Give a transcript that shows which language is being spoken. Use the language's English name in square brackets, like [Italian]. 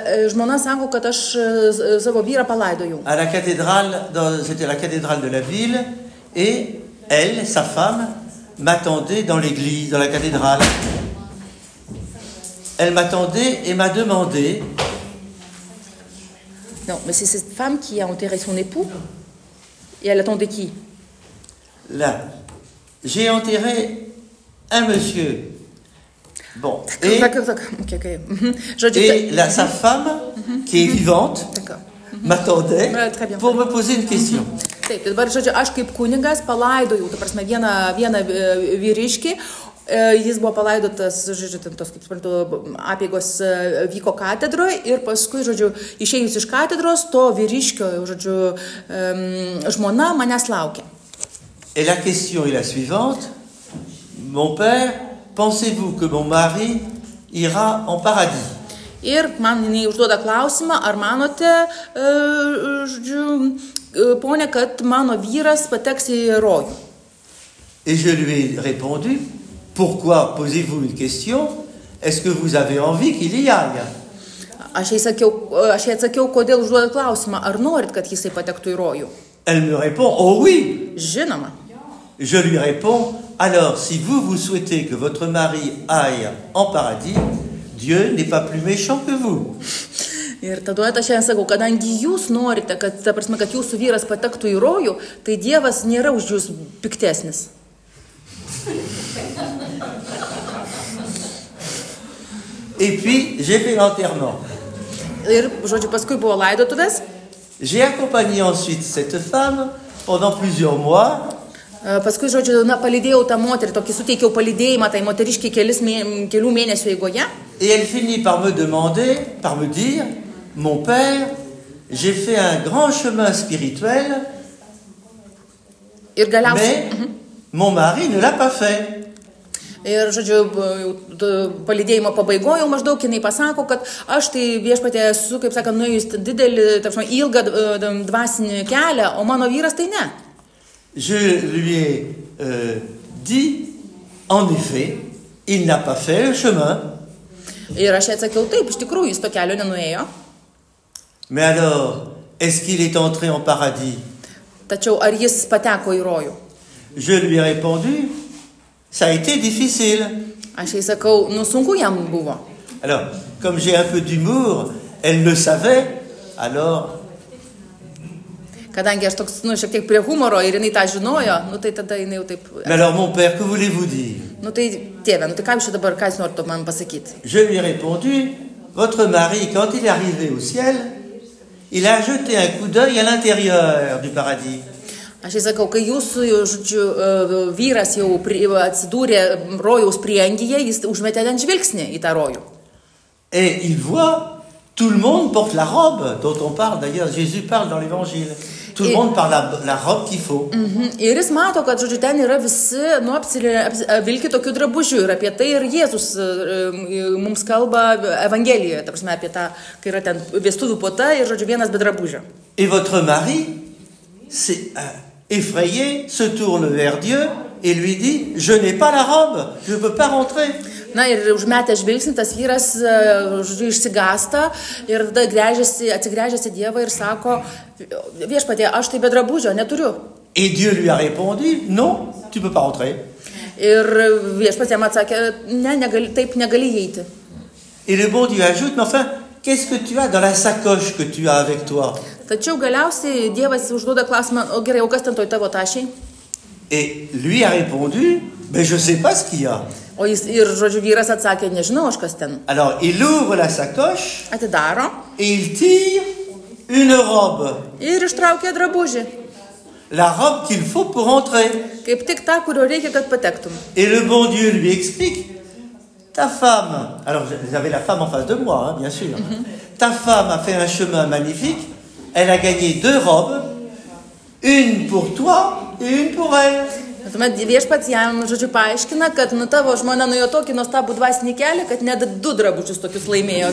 [Lithuanian] Žmona sako, kad aš savo vyrą palaidojau. [French] À la cathédrale, c'était la cathédrale de la ville, et elle, sa femme, m'attendait dans l'église, dans la cathédrale. Elle m'attendait et m'a demandé. Non, mais c'est cette femme qui a enterré son époux. Et elle attendait qui? Là. J'ai enterré un monsieur. Bon. D'accord. Et là, sa femme, qui est vivante, m'attendait pour me poser une question. [Lithuanian] Taip, dabar, žodžiu, aš kaip kunigas palaidojau, ta prasme, vieną vyriškį, jis buvo palaidotas, žodžiu, tos, kaip suprantu, apeigos vyko katedroje ir paskui, žodžiu, išėjus iš katedros, to vyriškio, žodžiu, žmona manęs laukė. [French] Et la question est la suivante. Mon père, pensez-vous que mon mari ira en paradis? [Lithuanian] Ir man jinai užduoda klausimą, ar manote, žodžiu, ponia, kad mano vyras pateks į rojų. [French] Et je lui ai répondu, pourquoi posez-vous une question? Est-ce que vous avez envie qu'il y aille? [Lithuanian] Aš jai atsakiau, kodėl užduoda klausimą, ar norit, kad jisai patektų į rojų? [French] Elle me répond, oh oui! [Lithuanian] Žinoma. [French] Je lui réponds, alors si vous souhaitez que votre mari aille en paradis, Dieu n'est pas plus méchant que vous. [Lithuanian] Ir tada aš jai sakau, kadangi jūs norite, kad, ta prasme, kad jūsų vyras patektų į rojų, tai Dievas nėra už jūs piktesnis. [French] Et puis, j'ai fait l'enterrement. [Lithuanian] Ir, žodžiu, paskui buvo laidotuvės. [French] J'ai accompagné ensuite cette femme pendant plusieurs mois. [Lithuanian] Paskui, žodžiu, na, palydėjau tą moterį, tokį suteikiau palydėjimą tai moteriškiai kelių mėnesių eigoje. [French] Et elle finit par me demander, par me dire, mon père, j'ai fait un grand chemin spirituel, [Lithuanian] ir galiausiai, [French] mais mon mari ne l'a pas fait. [Lithuanian] Ir, žodžiu, palydėjimo pabaigojau maždaug, jinai pasako, kad aš tai viešpatė esu, kaip sakant, nuėjus didelį, tarpsmą, ilgą dvasinį kelią, o mano vyras tai ne. [French] Je lui ai dit, en effet, il n'a pas fait le chemin. [Lithuanian] Ir aš atsakiau, taip, iš tikrųjų, jis to kelio nenuėjo. [French] Mais alors, est-ce qu'il est entré en paradis? [Lithuanian] Tačiau, ar jis pateko į rojų? [French] Je lui ai répondu, ça a été difficile. [Lithuanian] Aš jai sakau, nu sunku jam buvo. [French] Alors, comme j'ai un peu d'humour, elle le savait, alors... [Lithuanian] Kadangi aš toks, nu, šiek tiek prie humoro ir jinai tą žinojo, nu tai tada jinai jau taip... [French] Mais alors, mon père, que voulez-vous dire? [Lithuanian] Nu tai, tėve, nu tai ką jūs dabar, ką jūs norite man pasakyti? [French] Je lui ai répondu, votre mari, quand il est arrivé au ciel, il a jeté un coup d'œil à l'intérieur du paradis. [Lithuanian] Aš jai sakau, kai jūsų, žodžiu, vyras jau atsidūrė rojaus prieangyje, jis užmetė ten žvilgsnį į tą rojų. [French] Et il voit... Tout le monde porte la robe dont on parle, d'ailleurs, Jésus parle dans l'Évangile. Tout le monde parle la robe qu'il faut. [Lithuanian] Ir jis mato, kad, žodžiu, ten yra visi, nu, apsivilki tokių drabužių. Ir apie tai ir Jėzus mums kalba Evangelijoje, ta prasme, apie tą, kai yra ten vestuvių puota ir, žodžiu, vienas be drabužio. [French] Et votre mari, c'est effrayé, se tourne vers Dieu et lui dit, je n'ai pas la robe, je ne peux pas rentrer. [Lithuanian] Na ir užmetę žvilgsnį, tas vyras išsigasta ir tada atsigrėžiasi Dievą ir sako, viešpatie, aš tai be drabužio neturiu. [French] Et Dieu lui a répondu, non, tu peux pas rentrer. [Lithuanian] Ir viešpatie man atsakė, ne, negali, taip negali įeiti. [French] Et le bon Dieu ajoute, mais enfin, qu'est-ce que tu as dans la sacoche que tu as avec toi? [Lithuanian] Tačiau galiausiai Dievas užduoda klausimą, o gerai, o kas ten toj tavo tašiai? [French] Et lui a répondu, mais je sais pas ce qu'il y a. [Lithuanian] O jis, ir žodžiu, vyras atsakė, nežinau, aš kas ten. [French] Alors, il ouvre la sacoche. [Lithuanian] Atidaro. [French] Et il tire une robe. [Lithuanian] Ir ištraukė drabužį. [French] La robe qu'il faut pour entrer. [Lithuanian] Kaip tik ta, kurio reikia, kad patektum. [French] Et le bon Dieu lui explique. Ta femme, alors j'avais la femme en face de moi, hein, bien sûr. Mm-hmm. Ta femme a fait un chemin magnifique. Elle a gagné deux robes. Une pour toi et une pour elle. [Lithuanian] Tuomet viešpats jam, žodžiu, paaiškina, kad nu, tavo žmona nuėjo tokį nuostabų dvasinį kelią, kad net du drabužius tokius laimėjo.